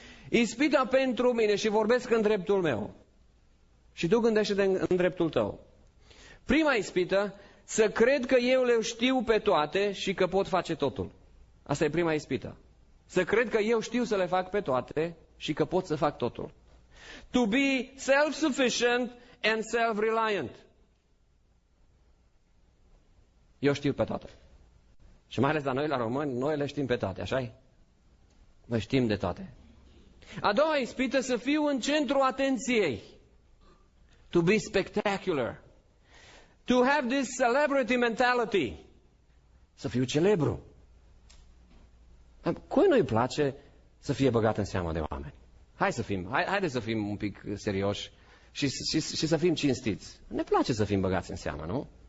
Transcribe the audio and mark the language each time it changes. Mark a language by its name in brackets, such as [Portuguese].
[Romanian] Ispita pentru mine, și vorbesc în dreptul meu. Și tu gândește-te în dreptul tău. Prima ispită, să cred că eu le știu pe toate și că pot face totul. Asta e prima ispită. Să cred că eu știu să le fac pe toate și că pot să fac totul. [English] To be self-sufficient and self-reliant. [Romanian] Eu știu pe toate. Și mai ales la noi, la români, noi le știm pe toate, așa-i? Le știm de toate. A doua ispită, să fiu în centru atenției. [English] To be spectacular. To have this celebrity mentality. [Romanian] Să fiu celebru. Cui nu-i place să fie băgat în seamă de oameni? Haide să fim un pic serioși și să fim cinstiți. Ne place să fim băgați în seamă, nu?